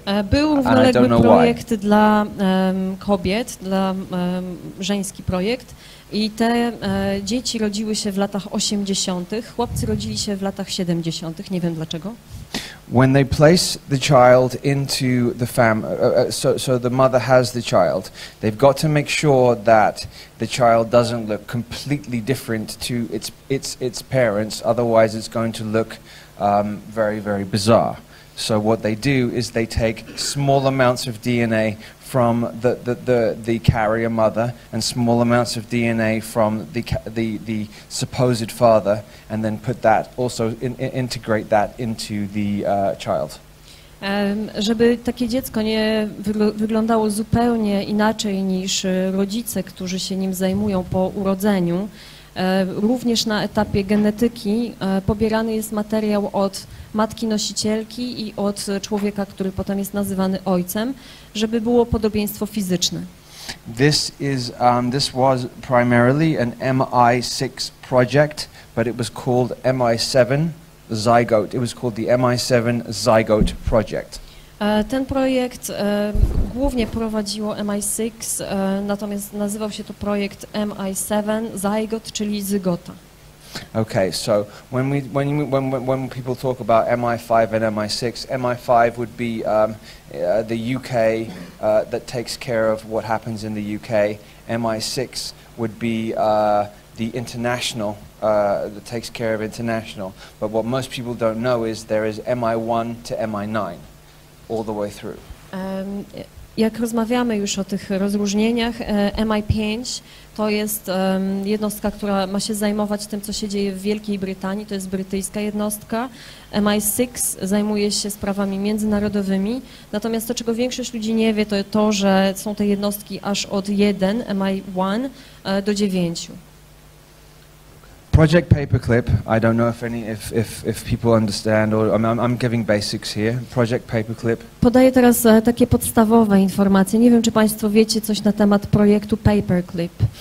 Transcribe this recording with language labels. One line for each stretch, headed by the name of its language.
Polish: Był równoległy projekt dla kobiet, dla żeński projekt. I te dzieci rodziły się w latach 80., chłopcy rodzili się w latach 70., nie wiem dlaczego.
English: When they place the child into the so the mother has the child, they've got to make sure that the child doesn't look completely different to its parents, otherwise it's going to look very, very bizarre. So what they do is they take small amounts of DNA from the carrier mother and small amounts of DNA from the supposed father, and then put that also integrate that into the child.
Polish: Żeby takie dziecko nie wyglądało zupełnie inaczej niż rodzice, którzy się nim zajmują po urodzeniu, również na etapie genetyki pobierany jest materiał od matki nosicielki i od człowieka, który potem jest nazywany ojcem, żeby było podobieństwo fizyczne.
English: This was primarily an MI6 project, but it was called MI7 zygote. It was called the MI7 zygote project.
Polish: Ten projekt głównie prowadziło MI6, natomiast nazywał się to projekt MI7 zygot, czyli zygota.
English: Okay, so when people talk about MI5 and MI6, MI5 would be the UK that takes care of what happens in the UK. MI6 would be the international that takes care of international. But what most people don't know is there is MI1 to MI9. All the way through.
Polish: Jak rozmawiamy już o tych rozróżnieniach, MI5 to jest jednostka, która ma się zajmować tym, co się dzieje w Wielkiej Brytanii, to jest brytyjska jednostka. MI6 zajmuje się sprawami międzynarodowymi, natomiast to, czego większość ludzi nie wie, to to, że są te jednostki aż od 1, MI1, do 9.
English: Project Paperclip. I don't know if people understand, or I'm giving basics here. Project Paperclip.
Polish: Podaję teraz takie podstawowe informacje. Nie wiem, czy państwo wiecie coś na temat projektu Paperclip.